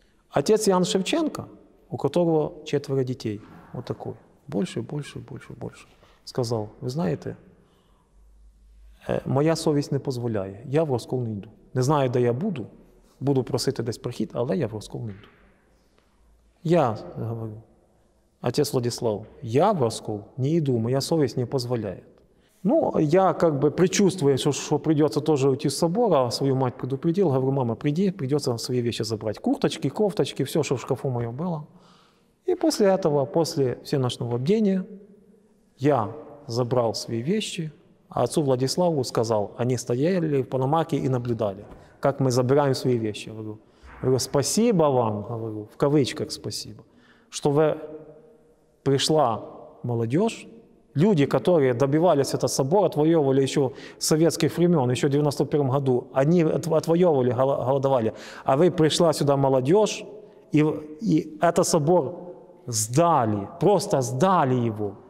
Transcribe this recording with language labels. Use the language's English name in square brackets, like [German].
[Russian] Отец Ян Шевченко, у которого 4 детей, вот такой. Больше. [Ukrainian] Сказав, ви знаєте, моя совість не дозволяє, я в розкол не йду. Не знаю, де я буду, буду просити десь прихід, але я в розкол не йду. Я говорю, отець Владислав, я в розкол не йду, моя совість не дозволяє. [Russian] Ну, я как бы предчувствую, [Ukrainian] що придеться теж [Russian] уйти [Ukrainian] з собора, [Russian] свою мать предупредил, говорю, мама, [Ukrainian] прийди, придеться свої [Russian] вещи [Ukrainian] забрати. Курточки, кофточки, все, що в шкафу моє було. [Russian] И после этого, после всеночного бдения, я забрал свои вещи, а отцу Владиславу сказал, они стояли в пономарке и наблюдали, как мы забираем свои вещи. Я говорю, спасибо вам, говорю, в кавычках спасибо, что вы пришла молодежь, люди, которые добивались этот собор, отвоевывали еще с советских времен, еще в 91 году, они отвоевывали, голодовали, а вы пришла сюда молодежь, и этот собор сдали, просто сдали его.